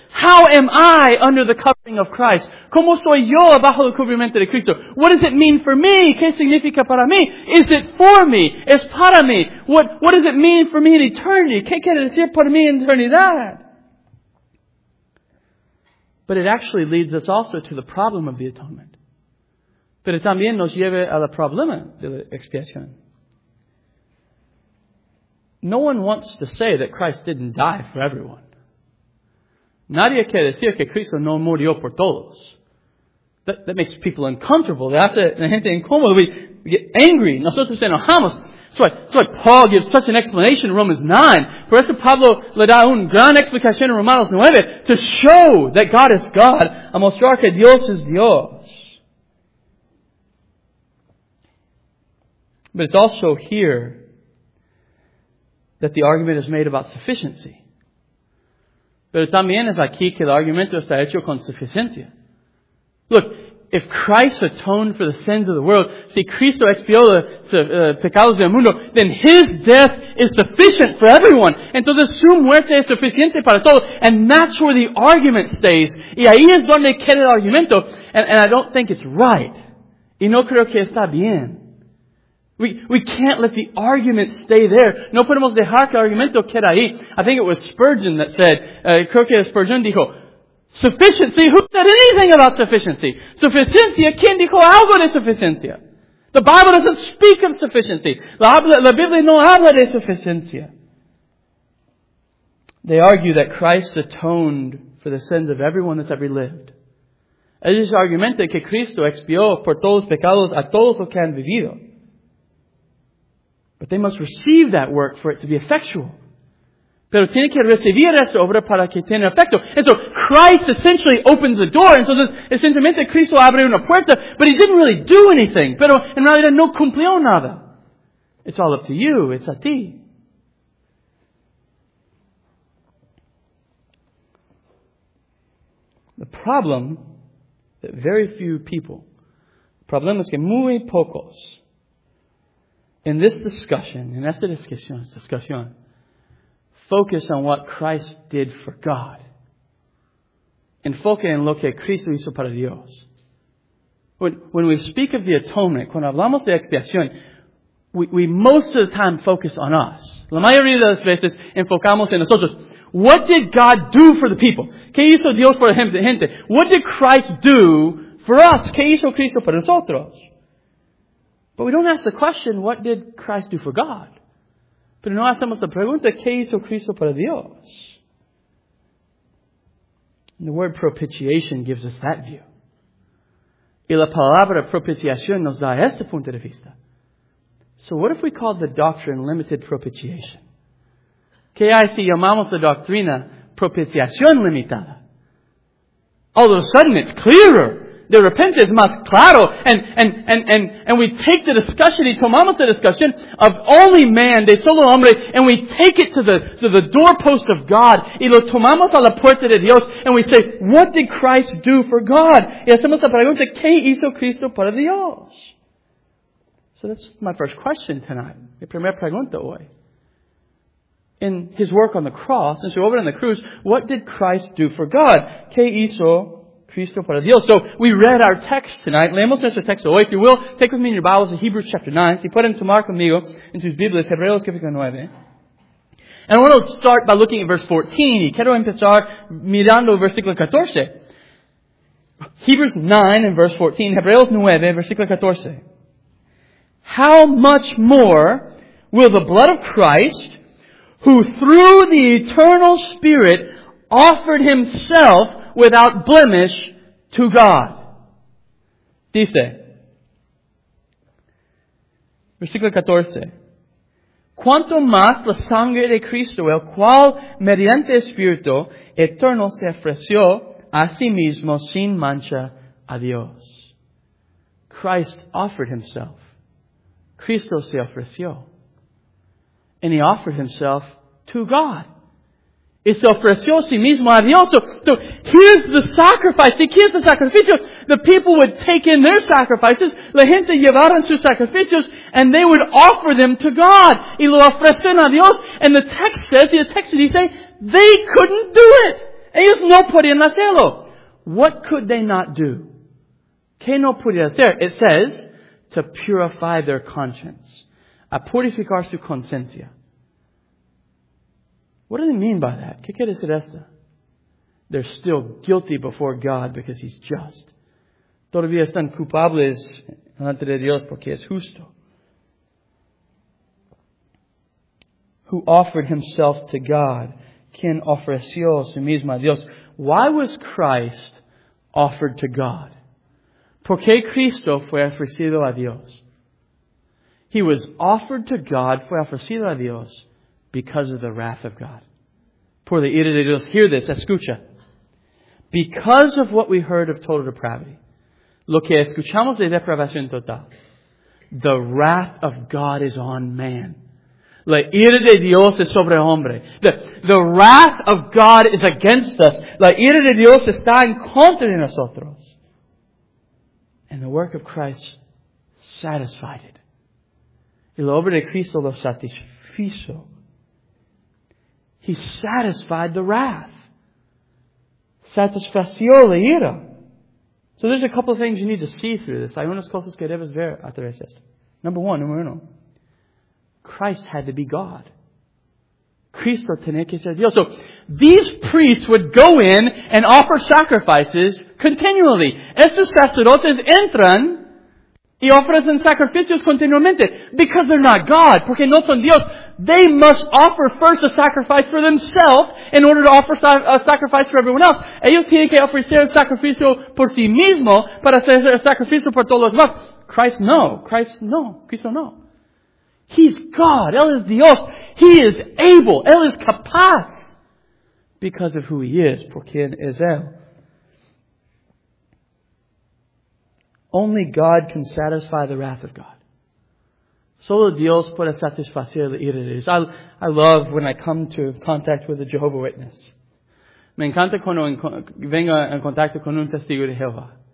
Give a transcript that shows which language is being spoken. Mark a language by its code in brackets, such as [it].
[en] How am I under the covering of Christ? [es] ¿Cómo soy yo bajo el cubrimiento de Cristo? [en] What does it mean for me? [es] ¿Qué significa para mí? [en] Is it for me? [es] ¿Es para mí? [en] What does it mean for me in eternity? [es] ¿Qué quiere decir para mí en eternidad? [en] But it actually leads us also to the problem of the atonement. [es] Pero también nos lleva al problema de la expiación. [en] No one wants to say that Christ didn't die for everyone. [es] Nadie quiere decir que Cristo no murió por todos. [en] That makes people uncomfortable. That's [es] la gente incómoda. [en] We get angry. [es] Nosotros enojamos. [en] That's why Paul gives such an explanation in Romans 9. [es] Por eso Pablo le da un gran explicación en Romanos 9 [en] to show that God is God, [es] a mostrar que Dios es Dios. [en] But it's also here that the argument is made about sufficiency. [es] Pero también es aquí que el argumento está hecho con suficiencia. [en] Look, if Christ atoned for the sins of the world, [es] si Cristo expió los pecados del mundo, [en] then His death is sufficient for everyone. [es] Entonces su muerte es suficiente para todos. [en] And that's where the argument stays. [es] Y ahí es donde queda el argumento. [en] And I don't think it's right. [es] Y no creo que está bien. [en] We can't let the argument stay there. [es] No podemos dejar que el argumento quede ahí. [en] I think it was Spurgeon that said, [es] creo que Spurgeon dijo, [en] sufficiency? Who said anything about sufficiency? [es] Suficiencia? ¿Quién dijo algo de suficiencia? [en] The Bible doesn't speak of sufficiency. [es] La Biblia no habla de suficiencia. [en] They argue that Christ atoned for the sins of everyone that's ever lived. [es] Ellos argumentan que Cristo expió por todos los pecados a todos los que han vivido. [en] But they must receive that work for it to be effectual. [es] Pero tiene que recibir esta obra para que tenga efecto. [en] And so Christ essentially opens the door. And so [es] esencialmente Cristo abre una puerta, [en] but He didn't really do anything. [es] Pero en realidad no cumplió nada. [en] It's all up to you. It's [es] a ti. [en] The problem that very few people, the problem [es] es que muy pocos, [en] in this discussion, in [es] esta discusión, [en] focus on what Christ did for God. [es] Enfoque en lo que Cristo hizo para Dios. [en] When we speak of the atonement, [es] cuando hablamos de expiación, [en] we most of the time focus on us. [es] La mayoría de las veces enfocamos en nosotros. [en] What did God do for the people? [es] ¿Qué hizo Dios por la gente? [en] What did Christ do for us? [es] ¿Qué hizo Cristo para nosotros? [en] But we don't ask the question, what did Christ do for God? [es] Pero no hacemos la pregunta, ¿qué hizo Cristo para Dios? [en] And the word propitiation gives us that view. [es] Y la palabra propiciación nos da este punto de vista. [en] So what if we call the doctrine limited propitiation? [es] ¿Qué hay si llamamos la doctrina propiciación limitada? [en] All of a sudden it's clearer. The repentance is [es] más claro, [en] and we take the discussion, [es] y tomamos [en] the discussion of only man, [es] de solo hombre, [en] and we take it to the doorpost of God, [es] y lo tomamos a la puerta de Dios, [en] and we say, what did Christ do for God? [es] Y hacemos la pregunta, ¿qué hizo Cristo para Dios? [en] So that's my first question tonight. [es] Mi primera pregunta hoy. [en] In His work on the cross, since we're over on the cruise, what did Christ do for God? [es] ¿Qué hizo Cristo para Dios? [en] So we read our text tonight. [es] Leemos nuestro texto hoy. [en] If you will, take with me in your Bibles to Hebrews chapter 9. [es] Si pueden tomar conmigo en sus Biblias, Hebreos capítulo 9. [en] And I want to start by looking at verse 14. [es] Y quiero empezar mirando versículo 14. [en] Hebrews 9 and verse 14. [es] Hebreos 9, versículo 14. [en] How much more will the blood of Christ, who through the eternal Spirit offered Himself without blemish to God. [es] Dice, versículo 14, cuanto más la sangre de Cristo, el cual mediante Espíritu eterno se ofreció a sí mismo sin mancha a Dios. [en] Christ offered Himself. [es] Cristo se ofreció. [en] And He offered Himself to God. [es] Y se ofreció sí mismo a Dios. [en] So here's the sacrifice. See, here's the sacrificio. The people would take in their sacrifices. [es] La gente llevaron sus sacrificios. [en] And they would offer them to God. [es] Y lo ofrecen a Dios. [en] And the text says, the text that he say, they couldn't do it. [es] Ellos no podían hacerlo. [en] What could they not do? [es] ¿Qué no podían hacer? [en] It says, to purify their conscience. [es] A purificar su conciencia. [en] What do they mean by that? [es] ¿Qué quiere decir esto? [en] They're still guilty before God because He's just. [es] Todavía están culpables delante de Dios porque es justo. [en] Who offered Himself to God? [es] ¿Quién ofreció su mismo a Dios? [en] Why was Christ offered to God? [es] ¿Por qué Cristo fue ofrecido a Dios? [en] He was offered to God, [es] fue ofrecido a Dios, [en] because of the wrath of God. [es] Por la ira de Dios. [en] Hear this, [es] escucha. [en] Because of what we heard of total depravity, [es] lo que escuchamos de depravación total, [en] the wrath of God is on man. [es] La ira de Dios es sobre hombre. [en] The wrath of God is against us. [es] La ira de Dios está en contra de nosotros. [en] And the work of Christ satisfied it. [es] Y la obra de Cristo lo satisfizo. [en] He satisfied the wrath. [es] Satisfació la ira. [en] So there's a couple of things you need to see through this. [es] Hay unas cosas que debes ver a través de esto. Número uno. [en] Christ had to be God. [es] Cristo tenía que ser Dios. [en] So these priests would go in and offer sacrifices continually. [es] Estos sacerdotes entran y ofrecen sacrificios continuamente. [en] Because they're not God. [es] Porque no son Dios. [en] They must offer first a sacrifice for themselves in order to offer a sacrifice for everyone else. [es] Ellos tienen que ofrecer un sacrificio por sí mismo para hacer un sacrificio por todos los demás. Cristo no. [en] He's God. [es] Él es Dios. [en] He is able. [es] Él es capaz. [en] Because of who He is. [es] Por quien es Él. [en] Only God can satisfy the wrath of God. [es] Solo Dios puede satisfacer la ira de Dios. [en] I love when I come to contact with a Jehovah Witness. [es] Me encanta cuando vengo en contacto con un testigo de Jehová.